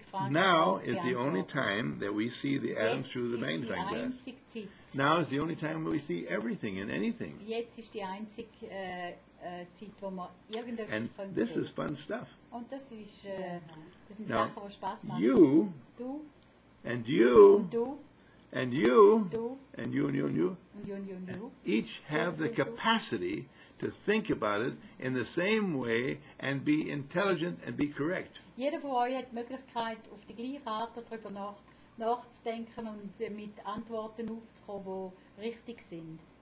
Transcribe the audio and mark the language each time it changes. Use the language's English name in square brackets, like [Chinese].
[English] Now is the only time that we see the atom through the magnifying glass. Now is the only time we see everything and anything. [German] Jetzt ist die einzige Zeit, wo man irgendetwas [English] and this [German] sehen. [English] Is fun stuff. [German] Und das ist, das sind now, Sachen, wo Spaß machen. [English] You, [German] du, [English] and you, [German] und du, [English] and you, and you, and you, and you, and you, and you, and you, each have the capacity to think about it in the same way and be intelligent and be correct. [German] Jeder von euch hat die Möglichkeit, auf die gleiche Art darüber nachzudenken und mit Antworten aufzukommen, die richtig sind.